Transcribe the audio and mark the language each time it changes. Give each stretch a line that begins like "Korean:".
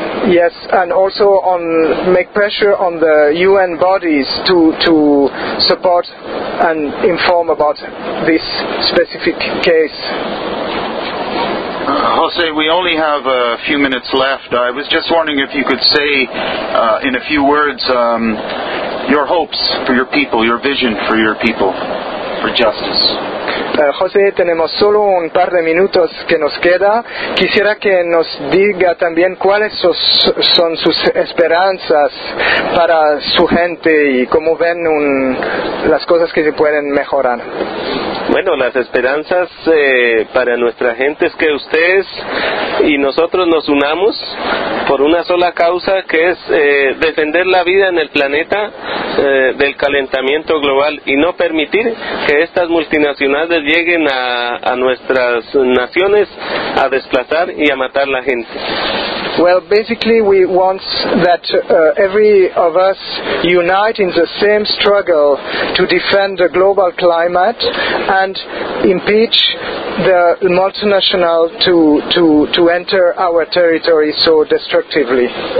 English: yes, and also on make pressure on the UN bodies to support and inform about this specific case. Jose, we only have a few minutes left. I was just wondering if you could say in a few words your hopes for your people, your vision for your people, for justice.
Spanish: José, tenemos solo un par de minutos que nos queda. Quisiera que nos diga también cuáles son sus esperanzas para su gente y cómo ven las cosas que se pueden mejorar. Bueno, las esperanzas para nuestra gente es que ustedes y nosotros nos unamos por una sola causa, que es defender la vida en el planeta del calentamiento global y no permitir que estas multinacionales lleguen a nuestras naciones a desplazar y a matar la gente.
English: Well, basically we want that every of us unite in the same struggle to defend the global climate and impeach the multinational to enter our territory so destructively.